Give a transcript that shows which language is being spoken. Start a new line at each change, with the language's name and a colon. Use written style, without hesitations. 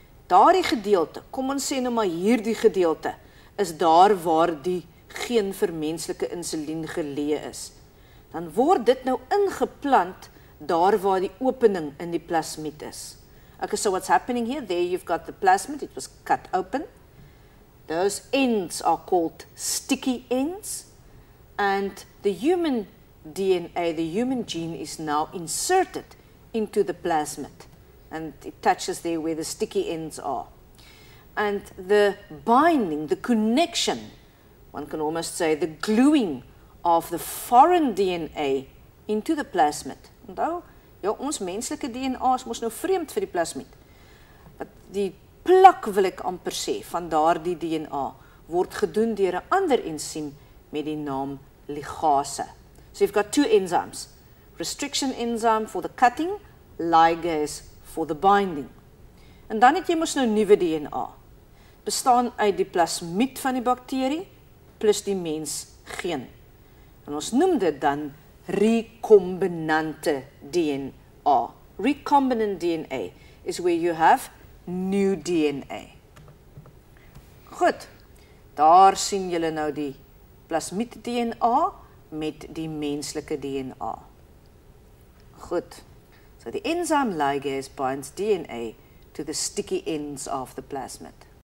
Afrikaans: Daardie gedeelte, kom ons sê nou maar hierdie gedeelte, is daar waar die geen vir menslike insulien geleë is. Dan word dit nou ingeplant daar waar die opening in die plasmid is.
English: Okay, so what's happening here? There you've got the plasmid, it was cut open. Those ends are called sticky ends. And the human DNA, the human gene is now inserted into the plasmid. And it touches there where the sticky ends are. And the binding, the connection, one can almost say the gluing of the foreign DNA into the plasmid.
Afrikaans: Nou, ja, ons menslike DNA is mos nou vreemd vir die plasmid. But die plak wil ek amper sê, van daar die DNA, word gedoen deur 'n ander ensiem met die naam ligase.
English: So you've got two enzymes. Restriction enzyme for the cutting, ligase for the binding.
Afrikaans: En dan het jy mos nou nuwe DNA. Bestaan uit die plasmid van die bakterie plus die mens geen. En ons noem dit dan recombinante DNA.
English: Recombinant DNA is where you have new DNA.
Afrikaans: Goed, daar sien julle nou die plasmid DNA met die menslike DNA.
English: Goed, so the enzyme ligase binds DNA to the sticky ends of the plasmid.